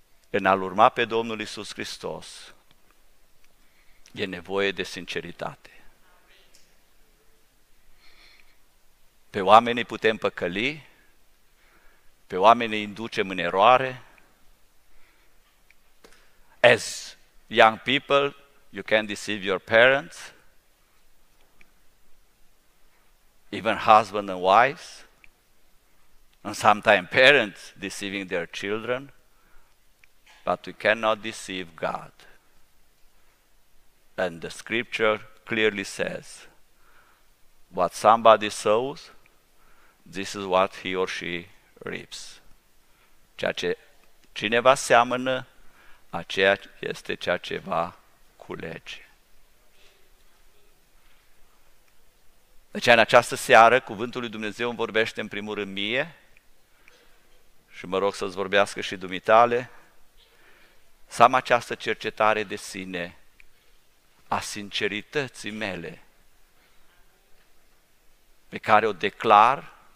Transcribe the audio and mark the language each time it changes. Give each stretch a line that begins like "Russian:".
Romanian: În a-L urma pe Domnul Iisus Hristos, e nevoie de sinceritate. Pe oamenii putem păcăli, pe oamenii inducem în eroare.
English: As young people, you can deceive your parents, even husband and wives, and sometimes parents deceiving their children, but we cannot deceive God. And the scripture clearly says, what somebody sows, this is what he or she reaps.
Romanian: Ceea ce cineva seamănă, aceea este ceea ce va culege. Deci în această seară, cuvântul lui Dumnezeu îmi vorbește în primul rând mie și mă rog să-ți vorbească și dumitale, să am această cercetare de sine a sincerității mele pe care o declar.